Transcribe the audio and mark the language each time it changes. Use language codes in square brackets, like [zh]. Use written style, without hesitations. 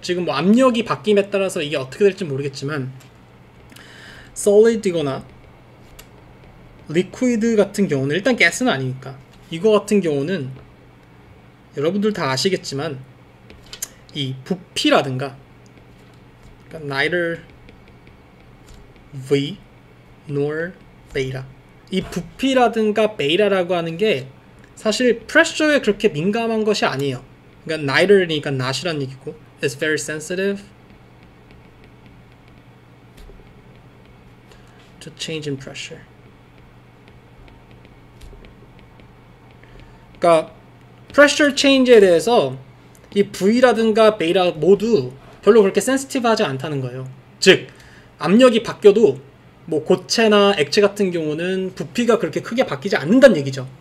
[ko] 지금 뭐 압력이 바뀜에 따라서 이게 어떻게 될지 모르겠지만, solid이거나 liquid 같은 경우는 일단 gas는 아니니까 이거 같은 경우는 여러분들 다 아시겠지만 이 부피라든가 [en] neither V nor beta. [ko] 이 부피라든가 베이라라고 하는 게 사실 프레셔에 그렇게 민감한 것이 아니에요. 그러니까 neither니까 not이라는 얘기고 [en] it's very sensitive to change in pressure. [ko] 그러니까 pressure change에 대해서 이 V라든가 베이라 모두 별로 그렇게 sensitive하지 않다는 거예요. 즉 압력이 바뀌어도 뭐 고체나 액체 같은 경우는 부피가 그렇게 크게 바뀌지 않는다는 얘기죠.